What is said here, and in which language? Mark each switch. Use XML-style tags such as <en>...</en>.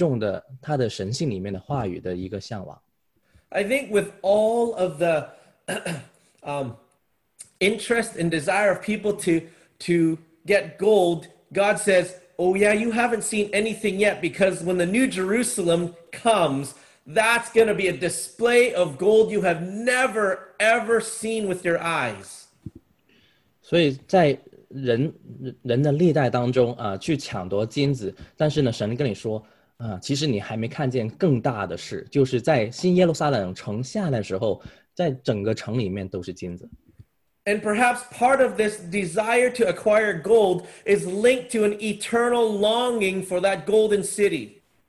<zh>而且神把这个对金子的美丽，对他的那个向往，也放在我们的每个人的内在里面。我想神是要引导我们去，就是追寻那个对神最贵重的他的神性里面的话语的一个向往。</zh> <en>I think with all of the interest and desire of people to get gold, God says, oh yeah, you haven't seen anything yet because when the New Jerusalem comes, that's going to be a display of gold you have never, ever seen with your eyes.</en> <zh>所以在人的历代当中去抢夺金子，但是呢，神跟你说， 其实你还没看见更大的事，就是在新耶路撒冷城下的时候，在整个城里面都是金子。</zh> <en>And perhaps part of this desire to acquire gold is linked to an eternal longing for that golden city.</en>